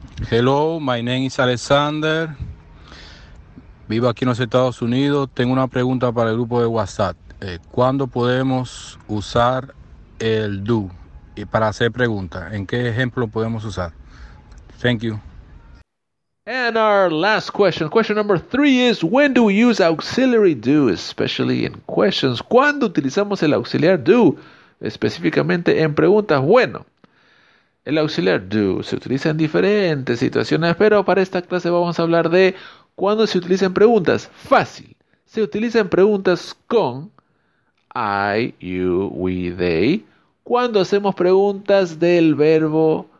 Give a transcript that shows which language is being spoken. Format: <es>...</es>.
<en>Hello, my name is Alexander.</en> <es>Vivo aquí en los Estados Unidos. Tengo una pregunta para el grupo de WhatsApp. ¿Cuándo podemos usar el do y para hacer preguntas? ¿En qué ejemplo podemos usar?</es> <en>Thank you. And our last question, question number three is, when do we use auxiliary do, especially in questions?</en> <es>¿Cuándo utilizamos el auxiliar do, específicamente en preguntas? Bueno, el auxiliar do se utiliza en diferentes situaciones, pero para esta clase vamos a hablar de cuándo se utiliza en preguntas. Fácil, se utiliza en preguntas con I, you, we, they, cuando hacemos preguntas del verbo.</es>